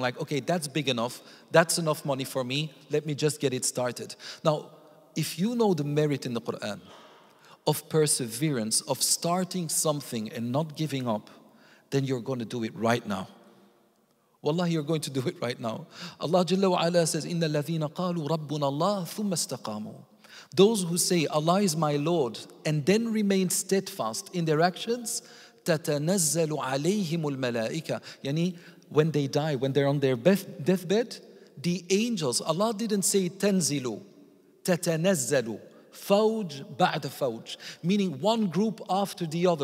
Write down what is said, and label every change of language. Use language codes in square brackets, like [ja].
[en] Like, okay, that's big enough. That's enough money for me. Let me just get it started. Now, if you know the merit in the Qur'an of perseverance, of starting something and not giving up, then you're going to do it right now. Wallahi, you're going to do it right now. Allah Jalla wa Ala says, [ar] إِنَّ الَّذِينَ قَالُوا رَبُّنَ اللَّهُ ثُمَّ اسْتَقَامُوا. [en] Those who say, Allah is my Lord, and then remain steadfast in their actions, [ar] تَتَنَزَّلُ عَلَيْهِمُ الْمَلَائِكَةِ. [en] Yani, when they die, when they're on their deathbed, the angels, Allah didn't say, [ar] تَنزِلُ, تَتَنَزَّلُ, فوج بعد فوج, [en] meaning one group after the other.